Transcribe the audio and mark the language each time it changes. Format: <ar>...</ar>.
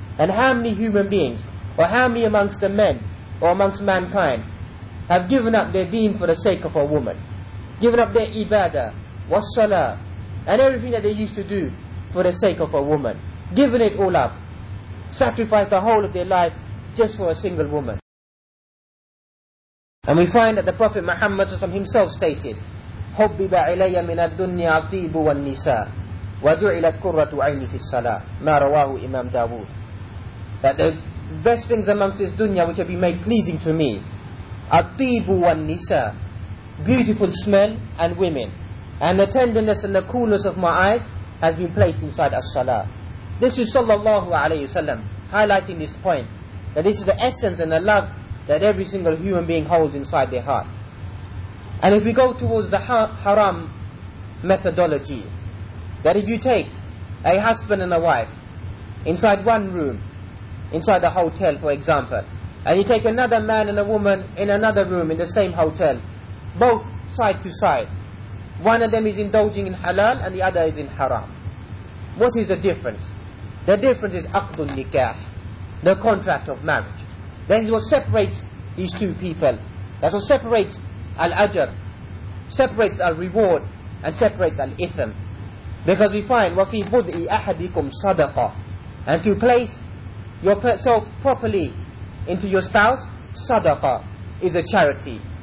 <en>And how many human beings, or how many amongst the men, or amongst mankind, have given up their deen for the sake of a woman? Given up their ibadah, wassalah, and everything that they used to do for the sake of a woman. Given it all up. Sacrificed the whole of their life just for a single woman. And we find that the Prophet Muhammad himself stated,</en> <ar>حُبِّبَ عِلَيَّ مِنَ الدُّنْيَا الطِّيبُ وَالنِّسَاءُ وَجُعِلَتْ كُرَّةُ عَيْنِي فِي الصَّلَاةِ. مَا رَوَاهُ إِمَامْ دَاوُودِ.</ar> <en>That the best things amongst this dunya which have been made pleasing to me,</en> <ar>الطِّيبُ وَالنِّسَاءُ,</ar> <en>beautiful smell and women, and the tenderness and the coolness of my eyes has been placed inside as-salah. This is sallallahu alayhi wasallam highlighting this point, that this is the essence and the love that every single human being holds inside their heart. And if we go towards the haram methodology, that if you take a husband and a wife inside one room, inside a hotel for example, and you take another man and a woman in another room in the same hotel, both side to side, one of them is indulging in halal and the other is in haram, what is the difference? The difference is aqdun nikah, the contract of marriage. That is what separates these two people. That's what separates al-ajr, separates al-reward, and separates al-ithm. Because we find,</en> <ar>وَفِي بُدْءِ أَحَدِكُمْ صَدَقَةً.</ar> <en>And to place yourself properly into your spouse, sadaqa, is a charity.</en>